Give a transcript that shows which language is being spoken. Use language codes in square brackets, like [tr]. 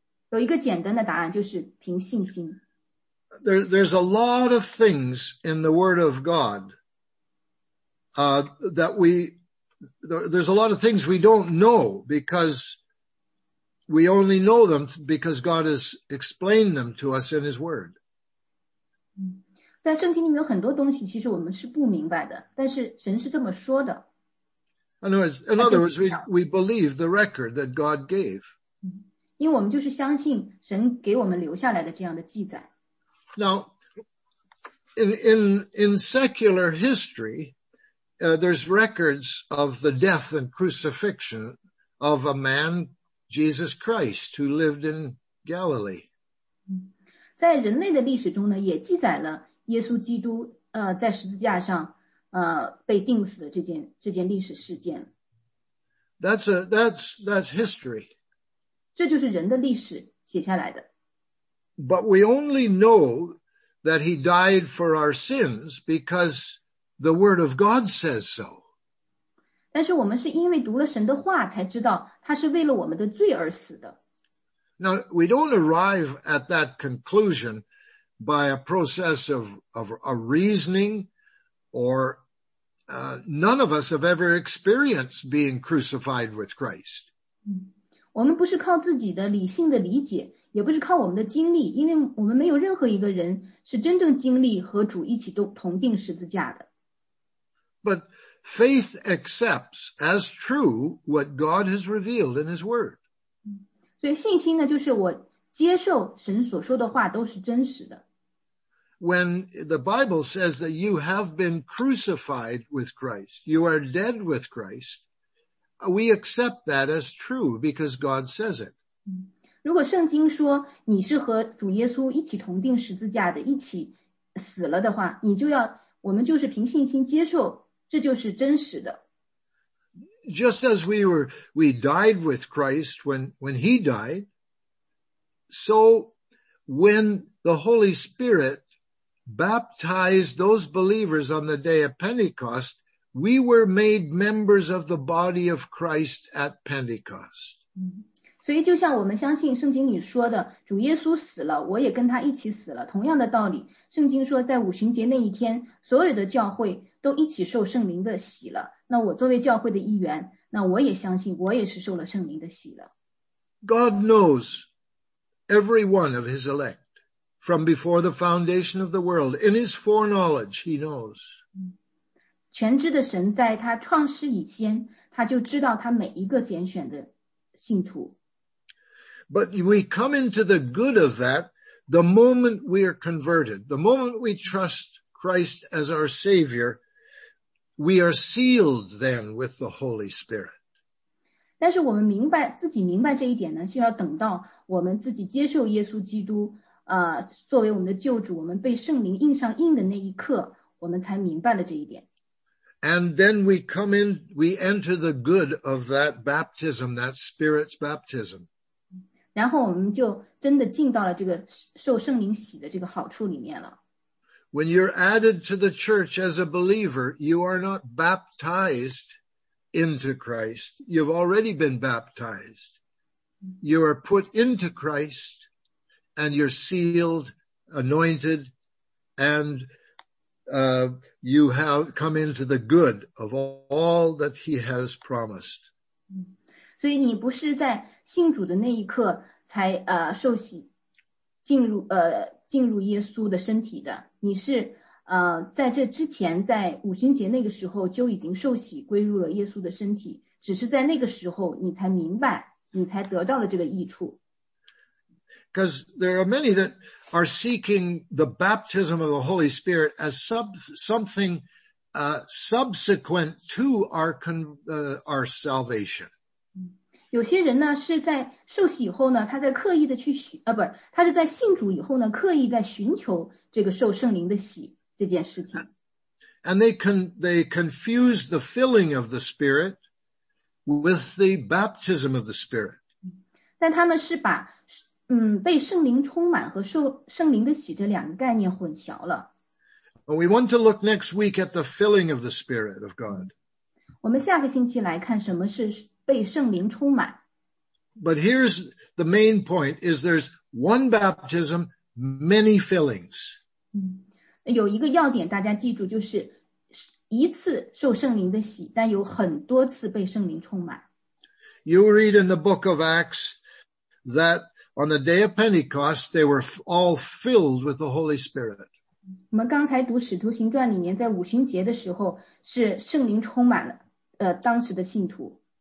[zh] 有一个简单的答案，就是凭信心。 [en] There's a lot of things in the Word of God, there's a lot of things we don't know because we only know them because God has explained them to us in His Word. [zh] 在圣经里面有很多东西其实我们是不明白的，但是神是这么说的。 [en] In other words, we believe the record that God gave. [zh] 因为我们就是相信神给我们留下来的这样的记载。 [en] Now, in secular history,there's records of the death and crucifixion of a man, Jesus Christ, who lived in Galilee. [zh] 在人类的历史中呢，也记载了耶稣基督在十字架上被钉死的这件历史事件。 [en] That's history. [zh] 这就是人的历史写下来的。 [en] But we only know that he died for our sins because the word of God says so. [zh] 但是我们是因为读了神的话才知道他是为了我们的罪而死的。 [en] Now, we don't arrive at that conclusion by a process of a reasoning none of us have ever experienced being crucified with Christ. [zh] 我们不是靠自己的理性的理解，也不是靠我们的经历，因为我们没有任何一个人是真正经历和主一起同钉十字架的。 [en] But faith accepts as true what God has revealed in His Word. [zh] 所以信心呢，就是我接受神所说的话都是真实的。 [en] when the Bible says that you have been crucified with Christ, you are dead with Christ, we accept that as true because God says it. [zh] 如果圣经说你是和主耶稣一起同钉十字架的，一起死了的话，你就要，我们就是凭信心接受，这就是真实的。 [en] Just as we died with Christ when he died, so when the Holy Spirit baptized those believers on the day of Pentecost, we were made members of the body of Christ at Pentecost. [zh] 所以就像我们相信圣经里说的，主耶稣死了，我也跟他一起死了。同样的道理，圣经说在五旬节那一天，所有的教会都一起受圣灵的洗了。那我作为教会的一员，那我也相信我也是受了圣灵的洗了。 [en] God knows every one of his elect from before the foundation of the world. In his foreknowledge, he knows. [zh] 全知的神在他创世以前，他就知道他每一个拣选的信徒。 [en] But we come into the good of that the moment we are converted. The moment we trust Christ as our Savior, we are sealed then with the Holy Spirit. [zh] 但是我们明白，自己明白这一点呢，就要等到我们自己接受耶稣基督，作为我们的救主，我们被圣灵印上印的那一刻，我们才明白了这一点。 [en] And then we come in, we enter the good of that baptism, that Spirit's baptism. [zh] 然后我们就真的进到了这个受圣灵洗的这个好处里面了。 [en] When you're added to the church as a believer, you are not baptized into Christ. You've already been baptized. You are put into Christ and you're sealed, anointed, and, you have come into the good of all that he has promised. [zh] 所以你不是在信主的那一刻才受洗进入耶稣的身体的，你是在这之前，在五旬节那个时候就已经受洗归入了耶稣的身体，只是在那个时候你才明白，你才得到了这个益处。 [en] Because there are many that are seeking the baptism of the Holy Spirit as something subsequent to our salvation. [zh] 有些人呢是在受洗以后呢，他在刻意的去他是在信主以后呢，刻意在寻求这个受圣灵的洗这件事情。 [en] And they confuse the filling of the Spirit with the baptism of the Spirit. [zh] 但他们是把被圣灵充满和受圣灵的洗这两个概念混淆了。 [en] We want to look next week at the filling of the Spirit of God. [zh] 我们下个星期来看什么是。被圣灵充满。 [en] But here's the main point, is there's one baptism, many fillings. [zh] 有一个要点大家记住，就是一次受圣灵的洗，但有很多次被圣灵充满。 [en] You read in the book of Acts that on the day of Pentecost, they were all filled with the Holy Spirit. [zh] 我们刚才读使徒行传里面，在五旬节的时候是圣灵充满了当时的信徒。